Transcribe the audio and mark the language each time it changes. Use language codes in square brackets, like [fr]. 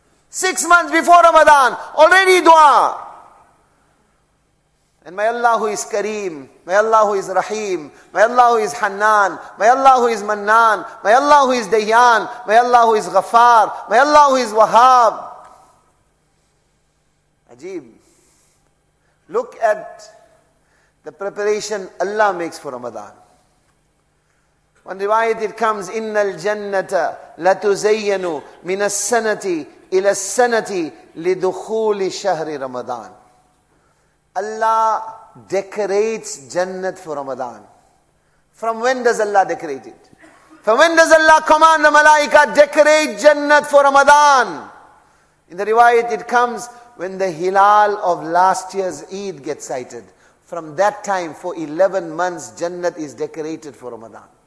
[en] 6 months before Ramadan, already dua. And may Allah who is Kareem, may Allah who is Rahim, may Allah who is Hannan, may Allah who is Mannan, may Allah who is Dayan, may Allah who is Ghaffar, may Allah who is Wahhab. Ajeeb. Look at the preparation Allah makes for Ramadan. One riwayat it comes, [ar] إِنَّ الْجَنَّةَ لَتُزَيَّنُ مِنَ السَّنَةِ إِلَى السَّنَةِ لِدُخُولِ شَهْرِ رَمَضَانِ. [en] Allah decorates Jannat for Ramadan. From when does Allah decorate it? From when does Allah command the Malaika decorate Jannat for Ramadan? In the riwayat it comes, when the Hilal of last year's Eid gets sighted. From that time for 11 months, Jannat is decorated for Ramadan.